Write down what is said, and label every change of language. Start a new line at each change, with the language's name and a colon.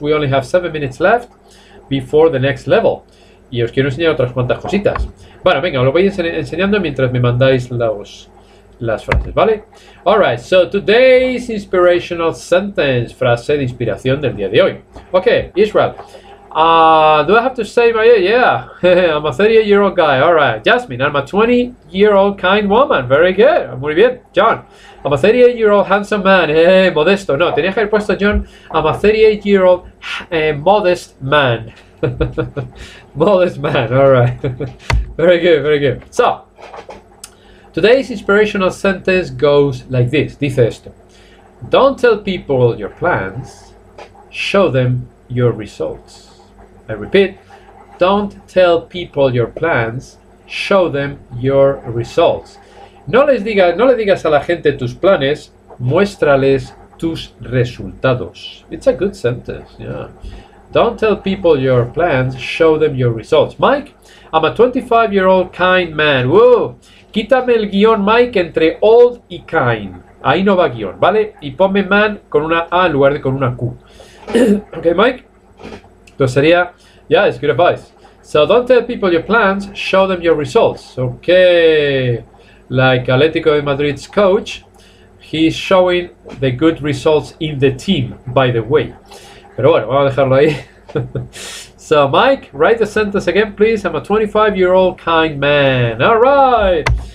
English: We only have 7 minutes left before the next level.
Spanish: Y os quiero enseñar otras cuantas cositas. Bueno, venga, os lo voy enseñando mientras me mandáis las frases, ¿vale?
English: All right, so today's inspirational sentence.
Spanish: Frase de inspiración del día de hoy.
English: Ok, Israel. Do I have to say my age? Yeah, I'm a 38-year-old guy. All right, Jasmine, I'm a 20-year-old kind woman. Very good,
Spanish: muy bien.
English: John, I'm a 38-year-old handsome man. Hey, modesto.
Spanish: No, tenía que haber puesto
English: John, I'm a 38-year-old modest man. Modest man, all right. Very good, very good. So, today's inspirational sentence goes like this.
Spanish: Dice esto.
English: Don't tell people your plans. Show them your results. I repeat, don't tell people your plans, show them your results.
Spanish: No le digas a la gente tus planes, muéstrales tus resultados.
English: It's a good sentence, yeah. Don't tell people your plans, show them your results. Mike, I'm a 25-year-old kind man. Whoa.
Spanish: Quítame el guión, Mike, entre old y kind. Ahí no va guión, ¿vale? Y ponme man con una A en lugar de con una Q.
English: Ok, Mike.
Spanish: Entonces sería.
English: Yeah, it's good advice. So don't tell people your plans, show them your results. Okay, like Atlético de Madrid's coach, he's showing the good results in the team, by the way.
Spanish: Pero bueno, vamos a dejarlo ahí.
English: So Mike, write the sentence again, please. I'm a 25-year-old kind man. All right.